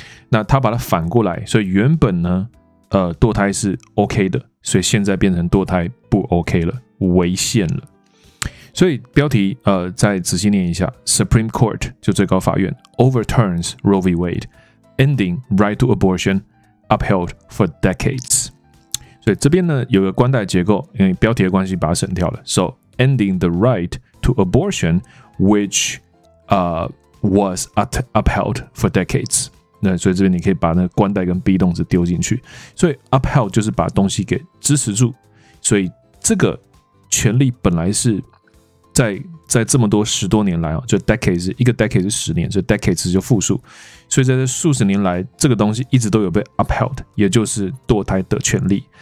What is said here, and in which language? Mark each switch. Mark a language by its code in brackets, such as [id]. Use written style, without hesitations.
[zh] 那他把它反过来，所以原本呢，堕胎是 OK 的，所以现在变成堕胎不 OK 了，违宪了。所以标题再仔细念一下 ： [en] Supreme Court [zh] 就最高法院 [en] overturns Roe v. Wade, ending right to abortion upheld for decades。 [zh] 所以这边呢有个冠带结构，因为标题的关系把它省掉了 ，so。 [en] Ending the right to abortion, which was upheld for decades. [zh] 那所以这边你可以把那个冠带跟 be 动词丢进去。所以 upheld 就是把东西给支持住。所以这个权利本来是在这么多十多年来就 decades 一个 decade 是十年，所以 decades 就复数。所以在这数十年来，这个东西一直都有被 upheld， 也就是堕胎的权利。